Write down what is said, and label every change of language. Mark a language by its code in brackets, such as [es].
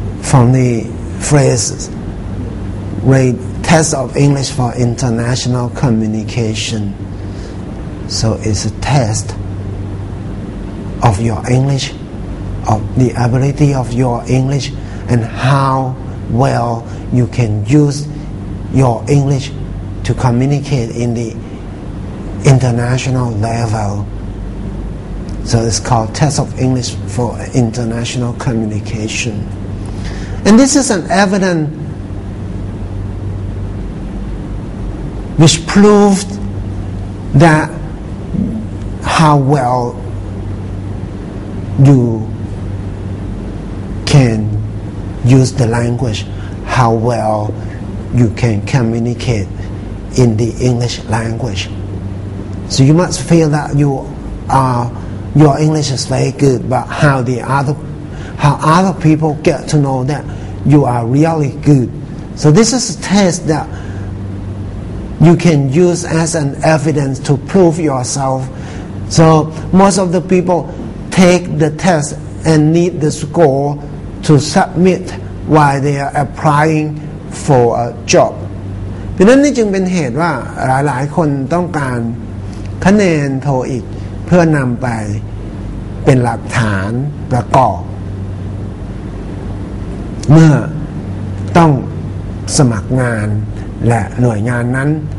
[en] from the phrase Test of English for International Communication So it's a test of your English of the ability of your EnglishAnd how well you can use your English to communicate in the international level. So it's called Test of English for International Communication. And this is an evidence which proved that how well you canuse the language how well you can communicate in the English language so you must feel that you your English is very good, but how other people get to know that you are really good. So this is a test that you can use as an evidence to prove yourself. So most of the people take the test and need the score to submit while they are applying for a job. [th] ดังนั้นนี่จึงเป็นเหตุว่าหลายๆคนต้องการคะแนนโทอีกเพื่อนำไปเป็นหลักฐานประกอบเมื่อต้องสมัครงานและหน่วยงานนั้น